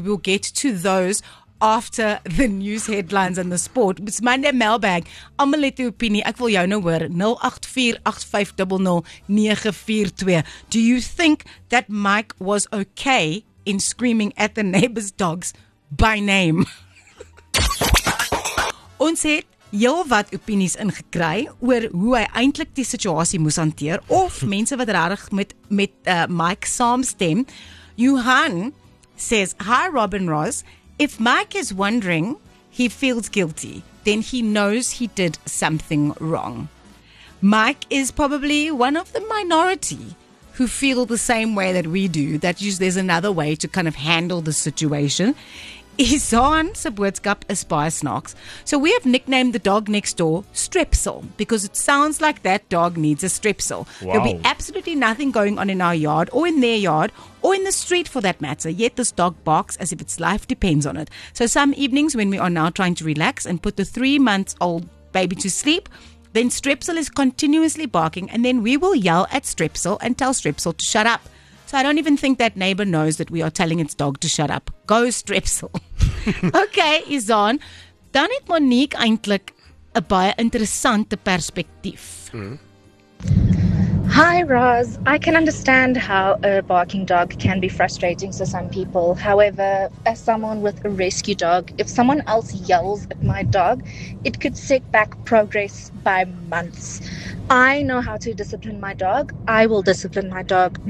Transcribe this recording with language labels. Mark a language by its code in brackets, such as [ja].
[en] We'll get to those after the news headlines and the sport. It's Monday Mailbag. [af] Almal het 'n opinie. Ek wil jou nou hoor. 0848500942. [en] Do you think that Mike was okay in screaming at the neighbor's dogs by name? [af] Ons het heel wat opinies ingekry oor hoe hy eintlik die situasie moes hanteer of mense wat regtig met Mike saamstem. [en] Johan says, "Hi Robin Ross, if Mike is wondering, he feels guilty, then he knows he did something wrong. Mike is probably one of the minority who feel the same way that we do, that there's another way to kind of handle the situation." [af] Isan se boodskap is baie snaaks. [en] So we have nicknamed the dog next door Strepsil because it sounds like that dog needs a Strepsil. Wow. There'll be absolutely nothing going on in our yard or in their yard or in the street for that matter, yet this dog barks as if its life depends on it. So some evenings when we are now trying to relax and put the 3 months old baby to sleep, then Strepsil is continuously barking and then we will yell at Strepsil and tell Strepsil to shut up. So I don't even think that neighbor knows that we are telling its dog to shut up. Go Strepsil. Okay, Izan. [af] Dan het Monique eintlik 'n baie interessante perspektief. [en] Hi, Roz. I can understand how a barking dog can be frustrating to some people. However, as someone with a rescue dog, if someone else yells at my dog, it could set back progress by months. I know how to discipline my dog. I will discipline my dog.